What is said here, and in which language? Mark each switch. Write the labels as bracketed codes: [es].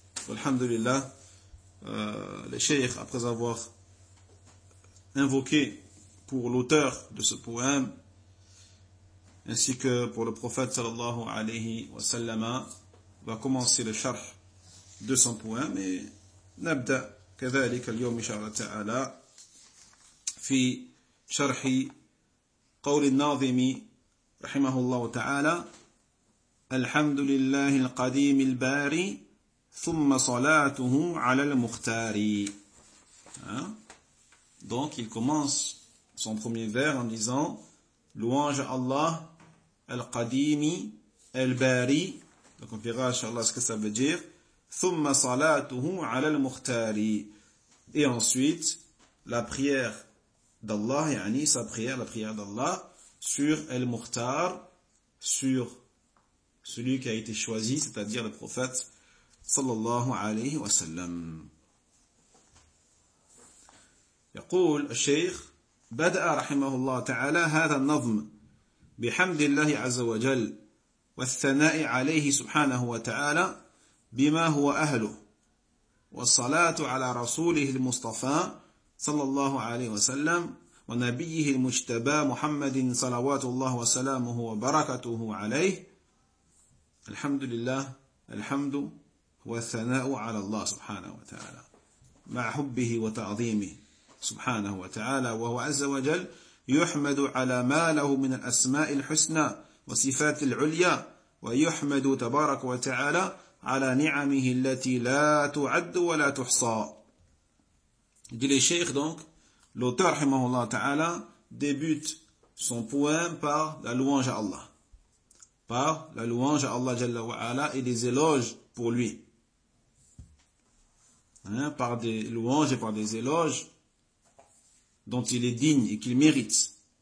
[fr] Alhamdulillah, le cheikh, après avoir invoqué pour l'auteur de ce poème ainsi que pour le prophète [ar] sallallahu alayhi wa sallam, [fr] va commencer le sharh de son poème. [ar] Et nabda كذلك اليوم إن شاء الله تعالى في شرح قول الناظم رحمه الله تعالى: الحمد لله القديم الباري ثم صلاته على المختار. [fr] Donc il commence son premier vers en disant: louange à Allah [ar] القديم الباري. [fr] Donc on verra إن شاء الله ce que ça veut dire. [ar] ثم صلاته على المختار. [fr] Et ensuite, la prière d'Allah, yani sa prière, la prière d'Allah, sur Al-Mukhtar, sur celui qui a été choisi, c'est-à-dire le prophète, [ar] sallallahu alayhi wa sallam. يقول الشيخ, بدأ رحمه الله تعالى هذا النظم بحمد الله عز وجل والثناء عليه سبحانه وتعالى بما هو أهله والصلاة على رسوله المصطفى صلى الله عليه وسلم ونبيه المجتبى محمد صلوات الله وسلامه وبركاته عليه. الحمد لله الحمد والثناء على الله سبحانه وتعالى مع حبه وتعظيمه سبحانه وتعالى وهو عز وجل يحمد على ما له من الأسماء الحسنى وصفات العليا ويحمد تبارك وتعالى على نعمه التي لا تعد ولا تحصى. [fr] Dit le cheikh donc, l'auteur rahimahullah ta'ala débute son poème par la louange à Allah. Par la louange à Allah [ar] jalla wa ala [fr] et des éloges pour lui. Hein, par des louanges et par des éloges dont il est digne et qu'il mérite.